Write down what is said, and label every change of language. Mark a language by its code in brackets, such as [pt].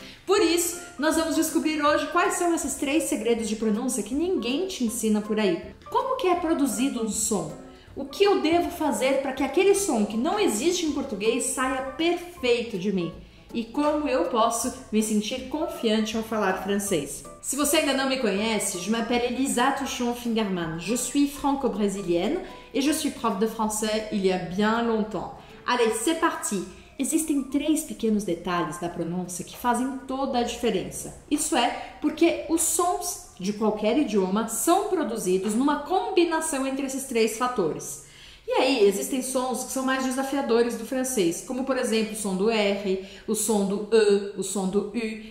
[pt] Por isso, nós vamos descobrir hoje quais são esses três segredos de pronúncia que ninguém te ensina por aí. Como que é produzido um som? O que eu devo fazer para que aquele som que não existe em português saia perfeito de mim? E como eu posso me sentir confiante ao falar francês? Se você ainda não me conhece, [fr] je m'appelle [pt] Elisa Touchon-Fingerman. [fr] Je suis franco-brésilienne et je suis prof de français il y a bien longtemps. Allez, c'est parti! [pt] Existem três pequenos detalhes da pronúncia que fazem toda a diferença. Isso é porque os sons de qualquer idioma são produzidos numa combinação entre esses três fatores. E aí, existem sons que são mais desafiadores do francês, como por exemplo o som do R, o som do E, o som do U.